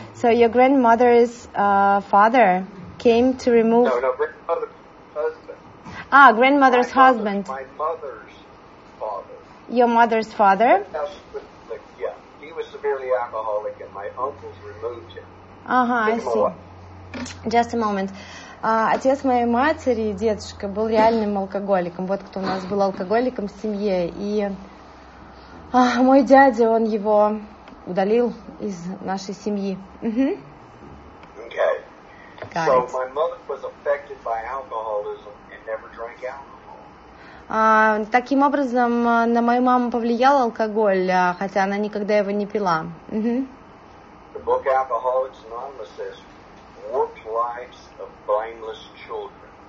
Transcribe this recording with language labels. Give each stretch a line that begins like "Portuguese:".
English: So your grandmother's father came to remove... No, grandmother's husband. Ah, grandmother's husband. My mother's father. Your mother's father? Yeah, he was severely alcoholic and my uncles removed him. I see. Just a moment.
Russian: Отец моей матери, дедушка, был реальным алкоголиком. Вот кто у нас был алкоголиком в семье. И мой дядя, он его удалил из нашей семьи.
English: Okay. So my mother was affected by alcoholism and never drank alcohol.
Russian: Таким образом, на мою маму повлиял алкоголь, хотя она никогда его не пила.
English: The book Alcoholics Anonymous says, "Warped lives of blameless children."